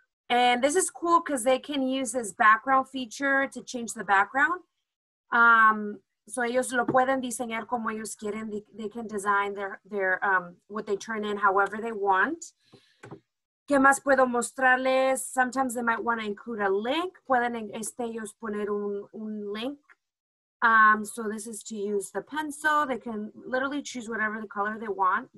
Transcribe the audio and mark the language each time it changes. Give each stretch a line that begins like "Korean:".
English: And this is cool because they can use this background feature to change the background.
Spanish: So ellos lo pueden diseñar como ellos quieren.
English: They can design their what they turn in however they want.
Spanish: ¿Qué más puedo mostrarles?
English: Sometimes they might want to include a link.
Spanish: Pueden ellos poner un link.
English: So this is to use the pencil. They can literally choose whatever the color they want.